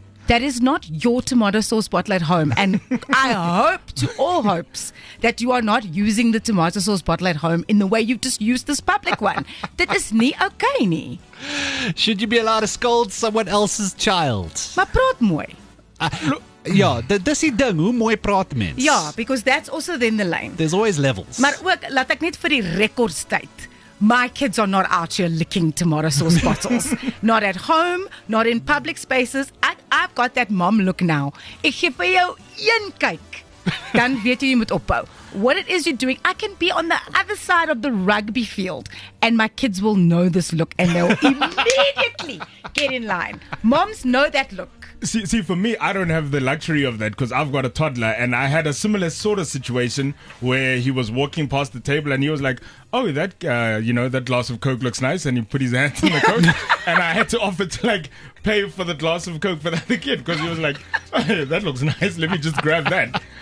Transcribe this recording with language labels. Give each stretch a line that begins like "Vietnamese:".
English: That is not your tomato sauce bottle at home. And I hope to all hopes that you are not using the tomato sauce bottle at home in the way you just used this public one.
Afrikaans: That is nie okay nie.
English: Should you be allowed to scold someone else's child?
Afrikaans: Maar praat mooi. Dis die ding, hoe mooi praat mens?
English: Ja, because that's also then the line. There's always levels.
Afrikaans: Maar ook, laat ek net vir die record state.
English: My kids are not out here licking tomato sauce bottles. Not at home, not in public spaces. I've got that mom look now.
Afrikaans: Ek gee vir jou een kyk, dan weet jy moet ophou.
English: What it is you're doing, I can be on the other side of the rugby field and my kids will know this look and they'll immediately get in line. Moms know that look. See, for me, I don't have the luxury of that because I've got a toddler and I had a similar sort of situation where he was walking past the table and he was like, oh, that, you know, that glass of Coke looks nice, and he put his hands in the Coke and I had to offer to like pay for the glass of Coke for the other kid because he was like, oh, that looks nice, let me just grab that.